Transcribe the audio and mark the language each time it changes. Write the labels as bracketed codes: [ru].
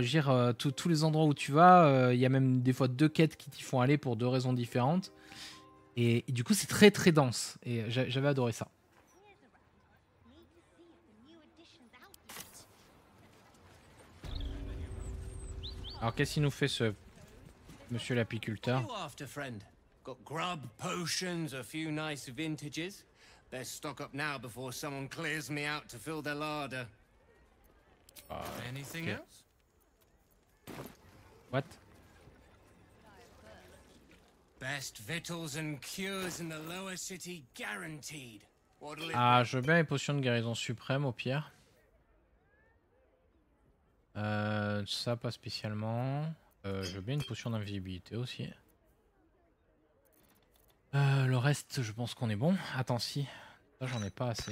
[fr] Je veux dire, tous les endroits où tu vas, il y a même des fois deux quêtes qui t'y font aller pour deux raisons différentes. Et du coup, c'est très, très dense. Et j'avais adoré ça. Alors qu'est-ce qu'il nous fait ce monsieur l'apiculteur ? [en] What are you after, friend ? Got grub, potions, a few nice vintages. Best stock up now before someone clears me out to fill their larder. Anything else ? What ? Best victuals and cures in the lower city guaranteed. [fr] Ah, je veux bien les potions de guérison suprême au pire. Ça pas spécialement. Je veux bien une potion d'invisibilité aussi. Le reste, je pense qu'on est bon. Attends, si. Ça, j'en ai pas assez.